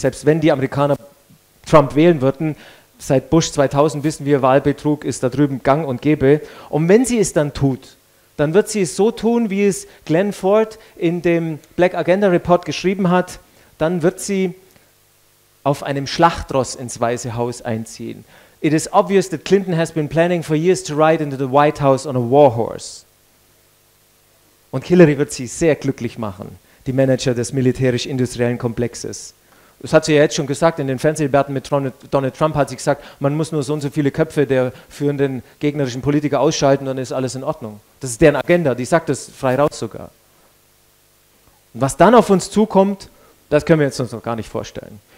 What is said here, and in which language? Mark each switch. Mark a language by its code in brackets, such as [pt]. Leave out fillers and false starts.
[de] Selbst wenn die Amerikaner Trump wählen würden, seit Bush 2000 wissen wir, Wahlbetrug ist da drüben gang und gäbe. Und wenn sie es dann tut, dann wird sie es so tun, wie es Glenn Ford in dem Black Agenda Report geschrieben hat, dann wird sie auf einem Schlachtross ins Weiße Haus einziehen. [en] It is obvious that Clinton has been planning for years to ride into the White House on a war horse. [de] Und Hillary wird sie sehr glücklich machen, die Manager des militärisch-industriellen Komplexes. Das hat sie ja jetzt schon gesagt, in den Fernsehdebatten mit Donald Trump hat sie gesagt, man muss nur so und so viele Köpfe der führenden gegnerischen Politiker ausschalten, dann ist alles in Ordnung. Das ist deren Agenda, die sagt das frei raus sogar. Und was dann auf uns zukommt, das können wir uns noch gar nicht vorstellen.